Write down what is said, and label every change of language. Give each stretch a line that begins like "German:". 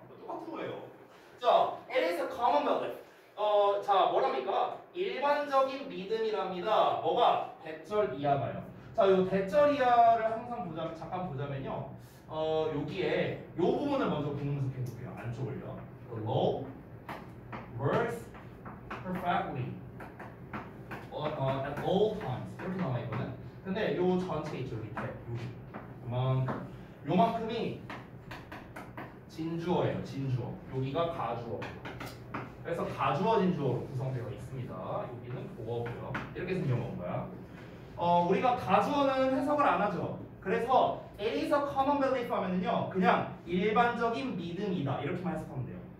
Korean: 똑같은 거예요. 자,
English: it is a common belief.
Korean: 자, 뭐랍니까? 일반적인 믿음이랍니다. 뭐가? 대절 이하가요. 자, 요 대절 이하를 항상 보자면, 잠깐 보자면요. 여기에 요 부분을 먼저 분석해 볼게요. 안쪽을요.
English: The law works perfectly at all times.
Korean: 이렇게 나와 있거든. 근데 요 전체 있죠, 밑에. 요만큼. 요만큼이 진주어예요, 진주어. 여기가 가주어. 그래서 가주어 진주어로 구성되어 있습니다. 여기는 보어고요. 이렇게 생겨먹은 거야. 우리가 가주어는 해석을 안 하죠. 그래서
English: it is a common belief
Korean: 하면은요, 그냥 일반적인 믿음이다 이렇게만 해석하면 돼요.